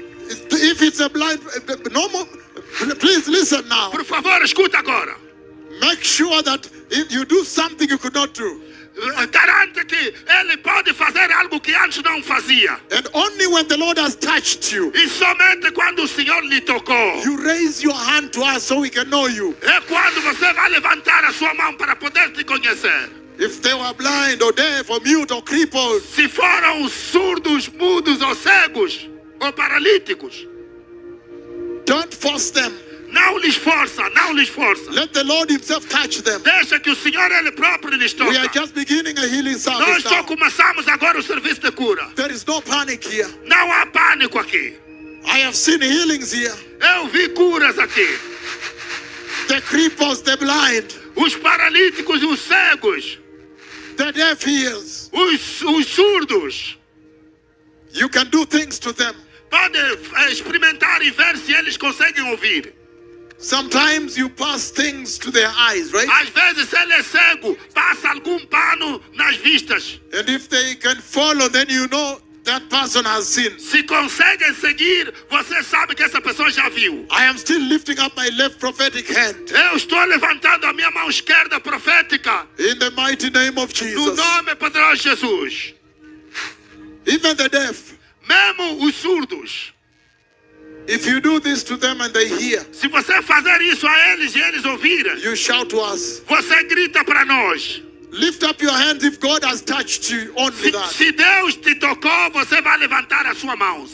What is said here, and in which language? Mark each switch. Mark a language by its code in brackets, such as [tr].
[en] If it's a blind, no more, please listen now. [pt] Por favor, escuta agora. [en] Make sure that if you do something you could not do. [pt] Garante que ele pode fazer algo que antes não fazia. [en] And only when the Lord has touched you. [pt] E somente quando o Senhor lhe tocou. [en] You raise your hand to us so we can know you. [pt] É quando você vai levantar a sua mão para poder te conhecer. [en] If they were blind or deaf or mute or crippled. [pt] Se foram surdos, mudos ou cegos ou paralíticos. [en] Don't force them. [pt] Não lhes força, não lhes força. [en] Let the Lord himself touch them. [pt] Deixa que o Senhor ele próprio lhes toque. [en] We are just beginning a healing service. [pt] Nós só começamos agora o serviço de cura. [en] There is no panic here. [pt] Não há pânico aqui. [en] I have seen healings here. [pt] Eu vi curas aqui. [en] The cripples, the blind. [pt] Os paralíticos e os cegos. [en] The deaf ears. [pt] Os surdos. [en] You can do things to them. [pt] Pode experimentar e ver se eles conseguem ouvir. [en] Sometimes you pass things to their eyes, right? [pt] Às vezes ele é cego, passa algum pano nas vistas. [en] And if they can follow, then you know that person has seen. [pt] Se conseguem seguir, você sabe que essa pessoa já viu. [en] I am still lifting up my left prophetic hand. [pt] Eu estou levantando a minha mão esquerda profética. [en] In the mighty name of Jesus. [pt] No nome poderoso de Jesus. [en] Even the deaf. [pt] Mesmo os surdos. [en] If you do this to them and they hear. [pt] Se você fazer isso a eles e eles ouvirem. [en] You shout to us. [pt] Você grita para nós. [en] Lift up your hands if God has touched you only that. [pt] Se Deus te tocou, você vai levantar a sua mão.